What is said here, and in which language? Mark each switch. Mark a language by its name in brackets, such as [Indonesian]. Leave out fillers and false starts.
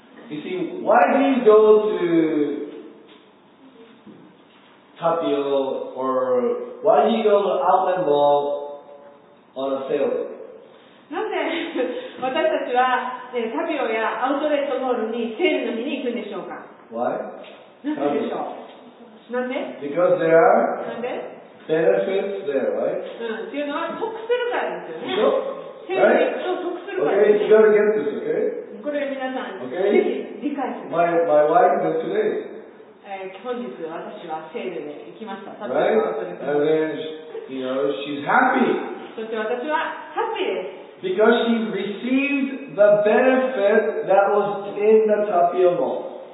[English] You see, why do you go to Tapio or why do you go to Outlet Mall on a sale? [Japanese] なぜ私たちは、タピオやアウトレットモールにセールの日に行くんでしょうか [English] Why? [Japanese] なぜでしょう なんで [English] Because there are benefits there, right? [Japanese] っていうのは得するからですよね。セールに行くと得するからですよね。 [English] Okay, you gotta get this, okay? [Japanese] これ皆さん、 [English] okay? [Japanese] ぜひ理解してください。 [English] My wife went today. [Japanese] 本日私はセールで行きました。タピオやアウトレットモール。 [English] And then, she's happy! [Japanese] そして私はハッピーです。 [English] Because she received the benefit that was in the Tapio Mall.